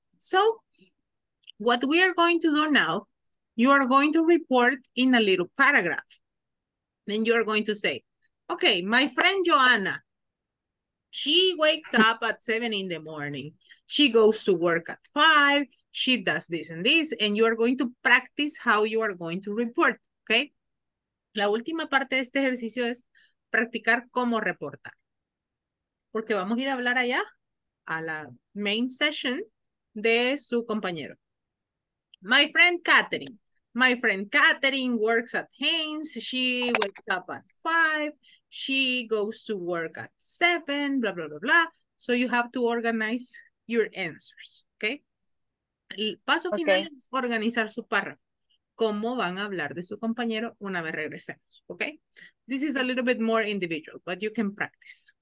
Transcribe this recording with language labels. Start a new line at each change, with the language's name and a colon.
English: So, what we are going to do now, you are going to report in a little paragraph. Then you are going to say, okay, my friend Joanna, she wakes up at 7 in the morning. She goes to work at 5. She does this and this, and you are going to practice how you are going to report, okay?
Spanish: La última parte de este ejercicio es practicar cómo reportar. Porque vamos a ir a hablar allá a la main session de su compañero.
English: My friend Catherine. My friend Catherine works at Haynes. She wakes up at 5. She goes to work at 7, blah, blah, blah, blah. So you have to organize your answers, okay?
Spanish: El paso final es organizar su párrafo. ¿Cómo van a hablar de su compañero una vez regresemos?
English: Okay? This is a little bit more individual, but you can practice.